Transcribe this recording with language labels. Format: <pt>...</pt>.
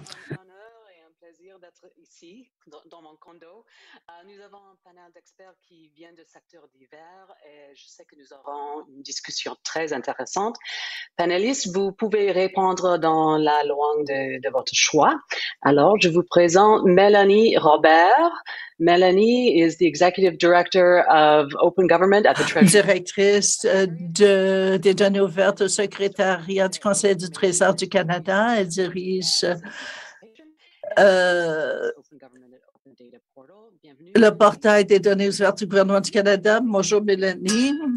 <fr>un honneur et un plaisir d'être ici, dans mon condo. Nous avons un panel d'experts qui vient de secteurs divers et je sais que nous aurons une discussion très intéressante. Panélistes, vous pouvez répondre dans la langue de votre choix. Alors, je vous présente Mélanie Robert.</fr> <en>Mélanie is the Executive Director of Open Government at the Treasury.</en> <fr>Directrice des données ouvertes au secrétariat du Conseil du Trésor du Canada. Elle dirige le portail des données ouvertes du gouvernement du Canada. Bonjour, Mélanie.</fr>